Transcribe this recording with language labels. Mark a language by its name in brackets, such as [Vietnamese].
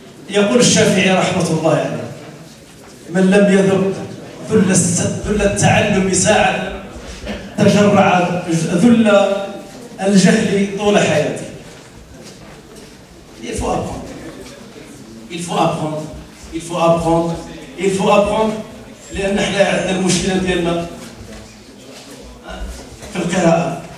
[Arabic] يقول الشافعي رحمة الله عليه من لم يذق ذل التعلم ساعة تجرع ذل الجهل طول حياته. [French] Il faut apprendre. Il faut apprendre. Il faut apprendre. Il faut apprendre. [Arabic] لأن إحنا عندنا المشكلة ديالنا في القراءة.